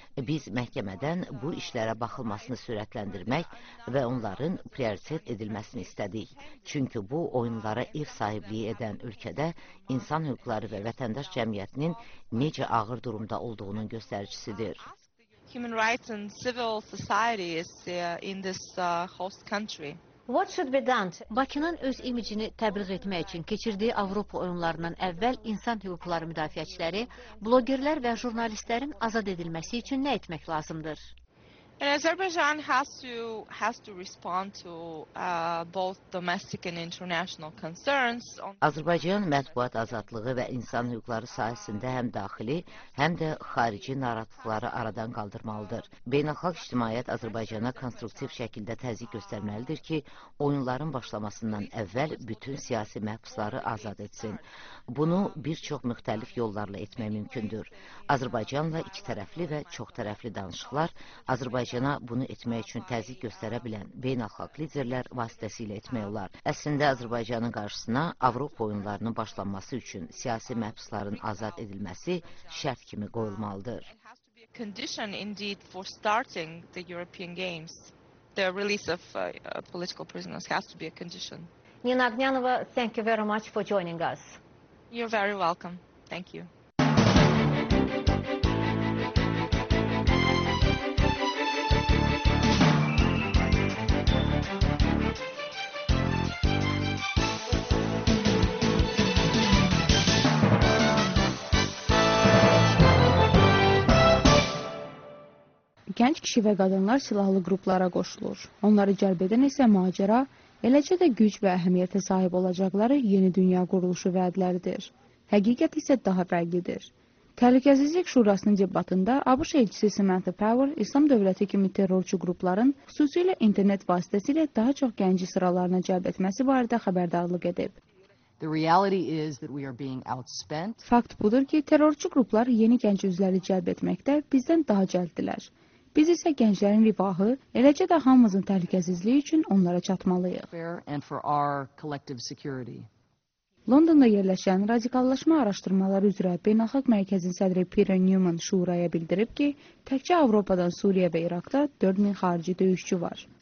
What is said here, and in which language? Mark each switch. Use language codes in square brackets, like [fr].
[az] Biz məhkəmədən bu işlərə baxılmasını sürətləndirmək və onların prioritet edilməsini istədik. Çünki bu, oyunlara ev sahibliyi edən ölkədə insan hüquqları və vətəndaş cəmiyyətinin necə ağır durumda olduğunun göstəricisidir. [en] Human rights and civil societies in this host country. What should be done to... [az] Bakının öz imicini təbliğ etmək üçün keçirdiyi Avropa oyunlarından əvvəl insan hüquqları müdafiəçiləri, bloqerlər və jurnalistlərin azad edilməsi üçün nə etmək lazımdır? [en] And Azerbaijan has to respond to both domestic and international concerns. [az] Azərbaycan mətbuat azadlığı və insan hüquqları sahəsində həm daxili, həm də xarici narahatlıqları aradan qaldırmalıdır. Beynəlxalq ictimaiyyət Azərbaycana konstruktiv şəkildə təzyiq göstərməlidir ki, oyunların başlamasından əvvəl bütün siyasi məhbusları azad etsin. Bunu bir çox müxtəlif yollarla etmək mümkündür. Azərbaycanla iki tərəfli və çox tərəfli danışıqlar Azərbaycana bunu etmək üçün təzyiq göstərə bilən beynəlxalq liderlər vasitəsilə etmək olar. Əslində, Azərbaycanın qarşısına Avropa oyunlarının başlanması üçün siyasi məhbusların azad edilməsi şərt kimi qoyulmalıdır. [en] Condition indeed for starting the European Games, the release of political prisoners has to be a condition. Nina Agnyanova, thank you very much for joining us. You're very welcome. Thank you. [az] Gənc kişi və qadınlar silahlı qruplara qoşulur. Onları cəlb edən isə macera, eləcə də güc və əhəmiyyətə sahib olacaqları yeni dünya quruluşu vədləridir. Həqiqət isə daha fərqlidir. Təhlükəsizlik Şurasının debatında ABŞ elçisi Samantha Power, İslam dövləti kimi terrorçu qrupların xüsusilə internet vasitəsilə daha çox gənci sıralarına cəlb etməsi barədə xəbərdarlıq edib. [en] The reality is that we are being outspent. [az] Fakt budur ki, terrorçu qruplar yeni gənc üzvləri cəlb etməkdə bizdən daha cəlddilər. Biz isə gənclərin rifahı, eləcə də hamımızın təhlükəsizliyi üçün onlara çatmalıyıq. Londonda yerləşən radikallaşma araşdırmaları üzrə Beynəlxalq Mərkəzin sədri Peter Newman şuraya bildirib ki, təkcə Avropadan Suriya və İraqda 4000 xarici döyüşçü var.